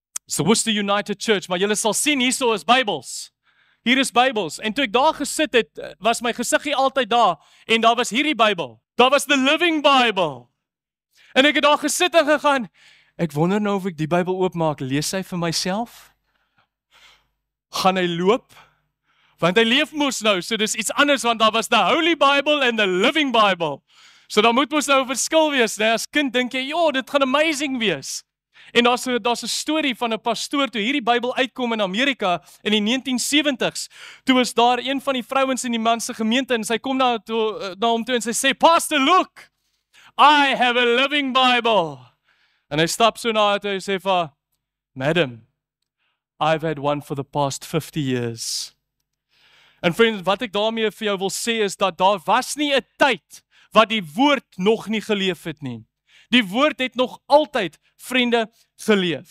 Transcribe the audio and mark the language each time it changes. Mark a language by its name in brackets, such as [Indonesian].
[English] So what's the United Church? [Afrikaans] Maar julle sal sien hierso is Bybels. Hier is Bybels. En toe ek daar gesit het, was my gesiggie altyd daar en daar was hierdie Bybel. Daar was [English] the Living Bible. [Afrikaans] En ek het daar gesit en gegaan, ek wonder nou of ek die Bybel oopmaak, lees hy vir myself? Gaan hy loop? Want hy leef moes nou, so dis iets anders, want daar was the Holy Bible and the Living Bible. So daar moet moes nou verskil wees, nee? As kind dink jy, joh, dit gaan amazing wees. En daar's 'n storie van 'n pastoor toe hierdie Bybel uitkom in Amerika in die 1970s. Toe is daar een van die vrouens in die man se gemeente en sy kom na hom toe en sy sê, [English] "Pastor, look. I have a living Bible." [Afrikaans] En hy stap so na haar toe en sê vir, [English] "Madam, I've had one for the past 50 years." [Afrikaans] En vriend, wat ek daarmee vir jou wil sê is dat daar was nie 'n tyd wat die woord nog nie geleef het nie. Die woord het nog altyd, vriende, geleef.